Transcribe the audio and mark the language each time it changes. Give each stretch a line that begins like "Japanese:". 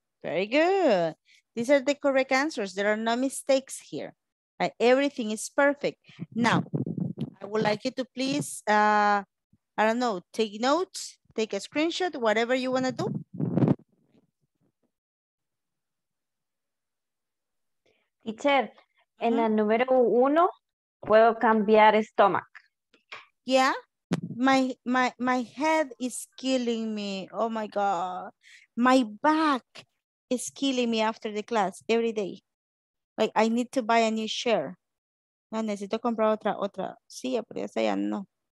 English: Very good. These are the correct answers. There are no mistakes here. Everything is perfect. Now, I would like you to please, I don't know, take notes, take a screenshot, whatever you want to do.
Spanish: Teacher, en la número uno, puedo cambiar estómago.
English: Yeah, my head is killing me. Oh my God. My back is killing me after the class every day. Like, I need to buy a new chair.
Spanish: No, necesito comprar otra silla, pero ya sea, no.